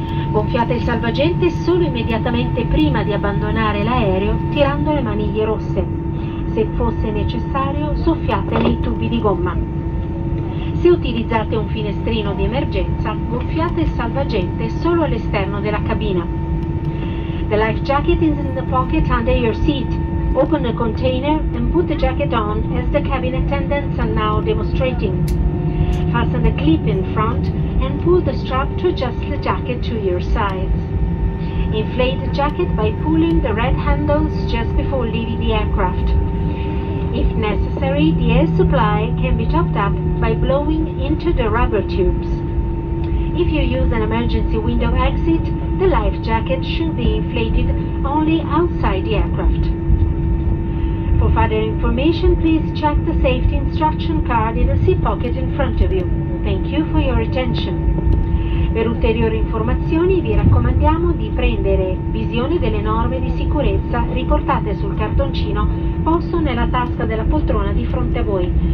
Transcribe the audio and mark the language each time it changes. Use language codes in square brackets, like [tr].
[it] Gonfiate il salvagente solo immediatamente prima di abbandonare l'aereo tirando le maniglie rosse. Se fosse necessario, soffiate nei tubi di gomma. Se utilizzate un finestrino di emergenza, gonfiate il salvagente solo all'esterno della cabina. [en] The life jacket is in the pocket under your seat. Open the container and put the jacket on as the cabin attendants are now demonstrating. Fasten the clip in front and pull the strap to adjust the jacket to your size. Inflate the jacket by pulling the red handles just before leaving the aircraft. If necessary, the air supply can be topped up by blowing into the rubber tubes. If you use an emergency window exit, the life jacket should be inflated only outside the aircraft. For further information, please check the safety instruction card in the seat pocket in front of you. Thank you for your attention. [it] Per ulteriori informazioni vi raccomandiamo di prendere visione delle norme di sicurezza riportate sul cartoncino posto nella tasca della poltrona di fronte a voi.